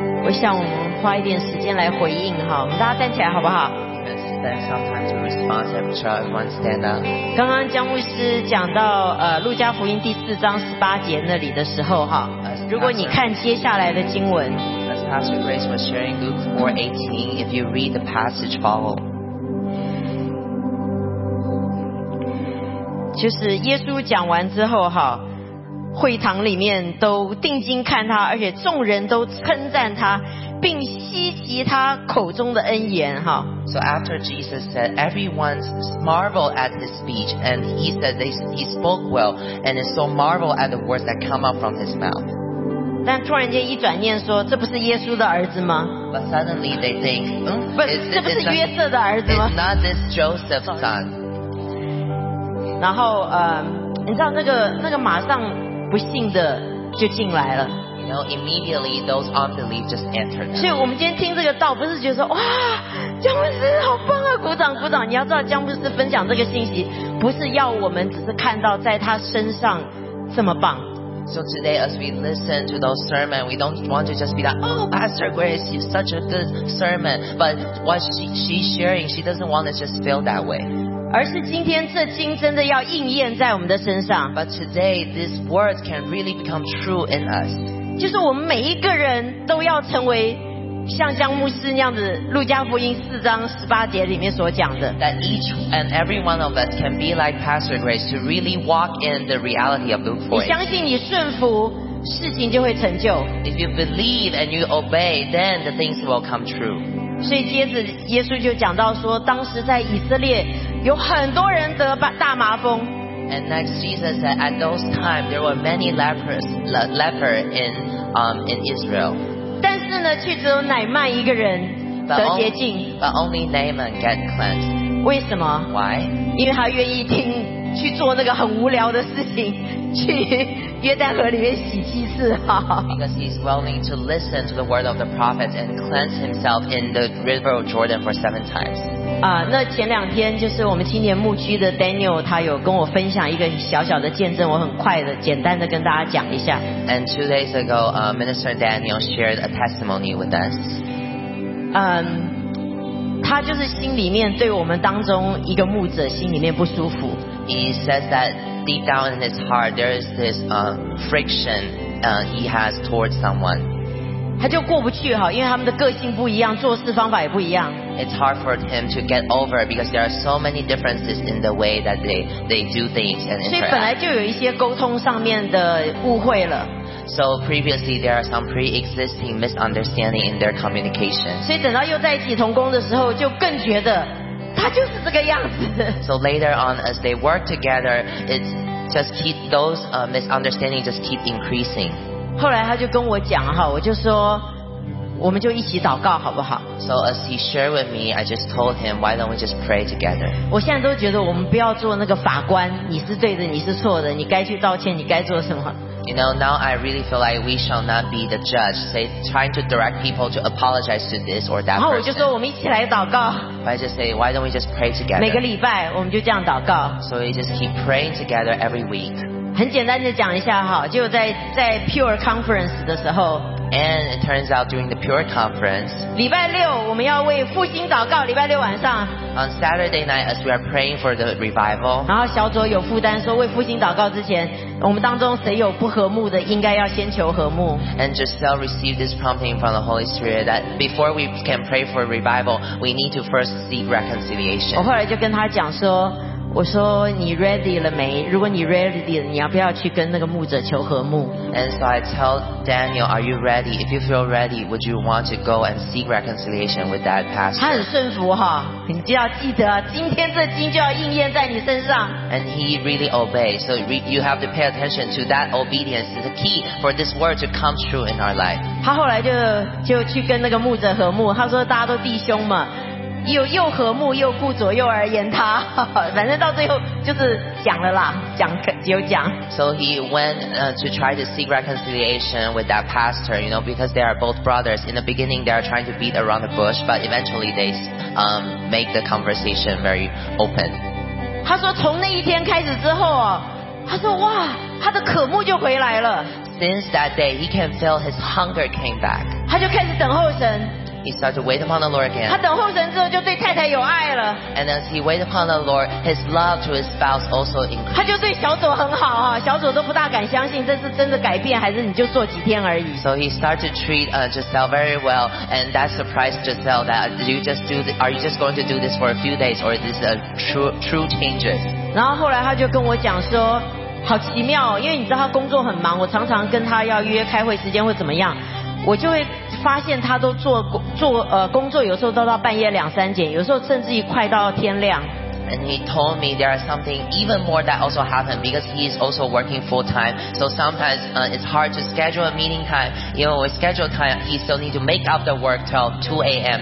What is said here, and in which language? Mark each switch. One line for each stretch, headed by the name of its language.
Chinese: 像我们花一点时间来回应哈，我们大家站起来好不好？
English: Stand up.
Chinese: 刚刚江牧师讲到路加福音第四章十八节那里的时候哈，如果你看接下来的经文
English: ，As Pastor Grace was sharing Luke 4:18, if you read the passage follow,
Chinese: 就是耶稣讲完之后哈。会堂里面都定睛看他，而且众人都称赞他，并稀奇他口中的恩言。
English: So after Jesus said, everyone marveled at his speech, and he said he spoke well, and is so marveled at the words that come out from his mouth.
Chinese: 但突然间一转念说，这不是耶稣的儿子吗？
English: But suddenly they think,
Chinese: 这不是约瑟的儿子吗？
English: It's not this Joseph's son.
Chinese: 然后你知道那个马上不信的就进来了。
English: You know, immediately those unbelief just entered.
Chinese: 所以我们今天听这个道，不是觉得说哇，姜牧师好棒啊，鼓掌鼓掌。你要知道，姜牧师分享这个信息，不是要我们只是看到在他身上这么棒。
English: So today, as we listen to those sermons, we don't want to just be like, oh, Pastor Grace, you're such a good sermon. But what she's sharing, she doesn't want to just feel that way.
Chinese: 而是今天这经真的要应验在我们的身上。
English: But today, this word can really become true in us.
Chinese: 就是我们每一个人都要成为像姜牧师那样子，《路加福音》四章十八节里面所讲的。
English: That each and every one of us can be like Pastor Grace to really walk in the reality of Luke 4.
Chinese: 你相信你顺服，事情就会成就。
English: If you believe and you obey, then the things will come true.
Chinese: 所以接着耶稣就讲到说，当时在以色列有很多人得大麻风。
English: And next Jesus said, at those times there were many leper in Israel.
Chinese: 但是呢，却只有乃曼一个人得洁净。
English: But only Naaman get cleansed.
Chinese: 为什么
English: ？Why？
Chinese: 因为他愿意听去做那个很无聊的事情，去约旦河里面洗祭祀哈。
English: Because he's willing to listen to the word of the prophets and cleanse himself in the river of Jordan for seven times.
Chinese: 啊，那前两天就是我们青年牧区的 Daniel， 他有跟我分享一个小小的见证，我很快的、简单的跟大家讲一下。
English: And two days ago, Minister Daniel shared a testimony with us.
Chinese: 他就是心里面对我们当中一个牧者心里面不舒服。
English: He says that deep down in his heart, there is this friction he has towards someone.
Chinese: 他就过不去哈，因为他们的个性不一样，做事方法也不一样。
English: It's hard for him to get over because there are so many differences in the way that they do things and interact.
Chinese: 所以本来就有一些沟通上面的误会了。
English: So previously there are some pre-existing misunderstanding in their communication.
Chinese: 所以等到又在一起同工的时候，就更觉得他就是这个样子。
English: So later on as they work together, it's just keep those misunderstanding just keep increasing.
Chinese: 后来他就跟我讲哈，我就说，我们就一起祷告好不好
English: ？So as he shared with me, I just told him, why don't we just pray together?
Chinese: 我现在都觉得我们不要做那个法官，你是对的，你是错的，你该去道歉，你该做什么
English: ？You know, now I really feel like we shall not be the judge, say trying to direct people to apologize to this or that.
Chinese: 然后我就说，我们一起来祷告。
English: I just say, why don't we just pray together?
Chinese: 每个礼拜我们就这样祷告。
English: So we just keep praying together every week.
Chinese: 很简单的讲一下哈，就在 Pure Conference 的时候
English: ，And it turns out during the Pure Conference，
Chinese: 礼拜六我们要为复兴祷告，礼拜六晚上
English: ，On Saturday night as we are praying for the revival，
Chinese: 然后小组有负担说为复兴祷告之前，我们当中谁有不和睦的，应该要先求和睦。
English: And Giselle received this prompting from the Holy Spirit that before we can pray for revival， we need to first seek reconciliation。
Chinese: 我后来就跟他讲说。我说你 ready 了没？如果你 ready 了，你要不要去跟那个牧者求和睦
English: ？And so I tell Daniel, are you ready? If you feel ready, would you want to go and seek reconciliation with that pastor?
Chinese: 他很顺服哈，你就要记得，今天这经就要应验在你身上。
English: And he really obeys, so you have to pay attention to that obedience. It's the key for this word to come true in our life.
Chinese: 他后来就去跟那个牧者和睦，他说大家都弟兄嘛。又和睦又顾左右而言他，反正到最后就是讲了啦，讲有讲。
English: So he went to try to seek reconciliation with that pastor, you know, because they are both brothers. In the beginning, they are trying to beat around the bush, but eventually they make the conversation very open.
Chinese: 他说从那一天开始之后啊，他说哇，他的渴慕就回来了。
English: Since that day, he can feel his hunger came back.
Chinese: 他就开始等候神。
English: He started to wait upon the Lord again.
Chinese: 他等候神之后就对太太有爱了。
English: And as he waited upon the Lord, his love to his spouse also increased.
Chinese: 他就对小组很好啊，小组都不大敢相信这是真的改变，还是你就做几天而已。
English: So he started to treat Giselle very well, and that surprised Giselle that are you just going to do this for a few days, or is this a true changes?
Chinese: 然后后来他就跟我讲说，好奇妙，因为你知道他工作很忙，我常常跟他要约开会时间会怎么样。我就会发现他都做工作，有时候都到半夜两三点，有时候甚至于快到天亮。
English: And he told me there is something even more that also happened because he is also working full time. So sometimes it's hard to schedule a meeting time. Even with schedule time, he still need to make up the work till 2 a.m.